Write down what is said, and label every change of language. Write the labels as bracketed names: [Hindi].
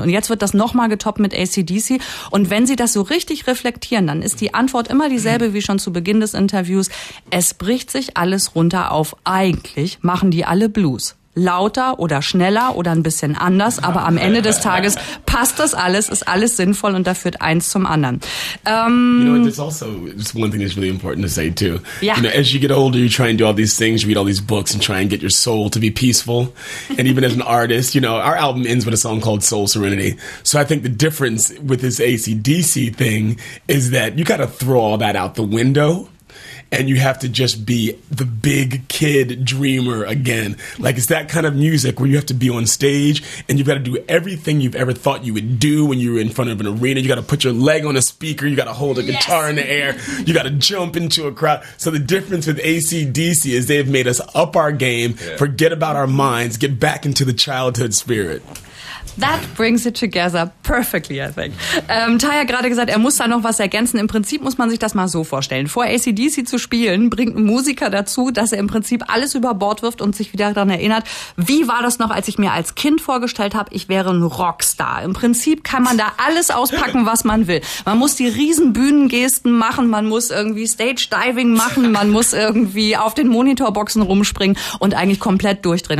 [German] Und jetzt wird das nochmal getoppt mit AC/DC. Und wenn sie das so richtig reflektieren, dann ist die Antwort immer dieselbe wie schon zu Beginn des Interviews. Es bricht sich alles runter auf. Eigentlich machen die alle Blues. Lauter oder schneller oder ein bisschen anders, aber am Ende des Tages passt das alles, ist alles sinnvoll und da führt eins zum anderen. [English] You know, there's also just one thing that's really important to say too. Yeah. You know, as you get older, you try and do all these things, you read all these books and try and get your soul to be peaceful. And even as an artist, you know, our album ends with a song called Soul Serenity. So I think the difference with this AC/DC thing is that you got to throw all that out the window. And you have to just be the big kid dreamer again. Like, it's that kind of music where you have to be on stage and you've got to do everything you've ever thought you would do when you were in front of an arena. You got to put your leg on a speaker. You got to hold a guitar in the air. You got to jump into a crowd. So the difference with AC/DC is they've made us up our game, forget about our minds, get back into the childhood spirit. That brings it together perfectly, I think. [German] Ty hat gerade gesagt, er muss da noch was ergänzen. Im Prinzip muss man sich das mal so vorstellen. Vor AC/DC zu spielen, bringt ein Musiker dazu, dass er im Prinzip alles über Bord wirft und sich wieder daran erinnert, wie war das noch, als ich mir als Kind vorgestellt habe, ich wäre ein Rockstar. Im Prinzip kann man da alles auspacken, was man will. Man muss die riesen Bühnengesten machen, man muss irgendwie Stage-Diving machen, man muss irgendwie auf den Monitorboxen rumspringen und eigentlich komplett durchdrehen.